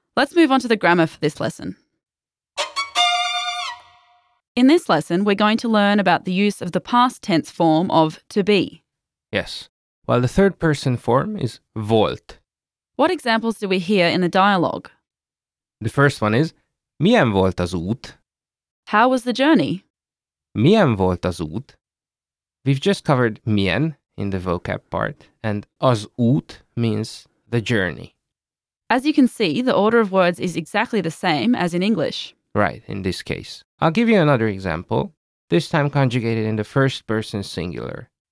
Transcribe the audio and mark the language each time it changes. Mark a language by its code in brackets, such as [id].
[en] Let's move on to the grammar for this lesson. In this lesson, we're going to learn about the use of the past tense form of to be. Yes, while the third person form is volt. What examples do we hear in the dialogue? The first one is, [hu] milyen volt az út? [en] How was the journey? [hu] Milyen volt az út? [en] We've just covered milyen in the vocab part, and az út means the journey. As you can see, the order of words is exactly the same as in English. Right, in this case. I'll give you another example, this time conjugated in the first person singular.